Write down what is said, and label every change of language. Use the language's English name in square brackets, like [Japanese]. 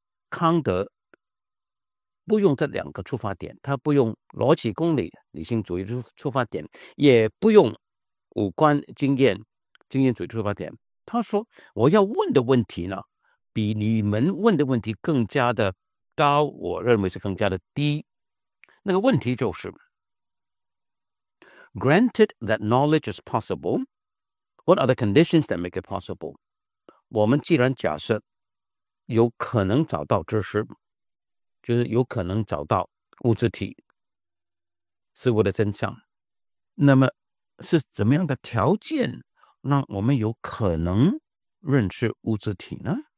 [Chinese] 康德不用这两个出发点，他不用逻辑公理理性主义出发点，也不用五官经验经验主义出发点。他说，我要问的问题呢，比你们问的问题更加的高，我认为是更加的低。那个问题就是 [English] Granted that knowledge is possible, what are the conditions that make it possible? [Chinese] 我们既然假设有可能找到知识，就是有可能找到物质体事物的真相，那么是怎么样的条件让我们有可能认识物质体呢？